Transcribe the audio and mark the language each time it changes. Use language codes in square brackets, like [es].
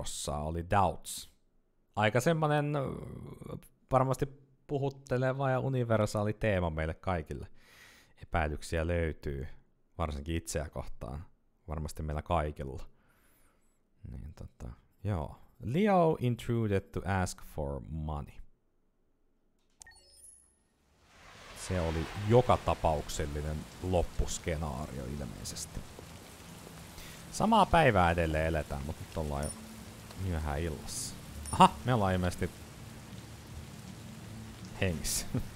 [fi] 21% oli doubts. Aika semmoinen varmasti puhutteleva ja universaali teema meille kaikille. Epäilyksiä löytyy, varsinkin itseä kohtaan. Varmasti meillä kaikilla. Niin, joo. [en] Leo intruded to ask for money. [fi] Se oli joka tapauksellinen loppuskenaario ilmeisesti. Samaa päivää edelleen eletään, mutta nyt ollaan jo myöhään illassa. Aha, me ollaan ilmeisesti hengissä.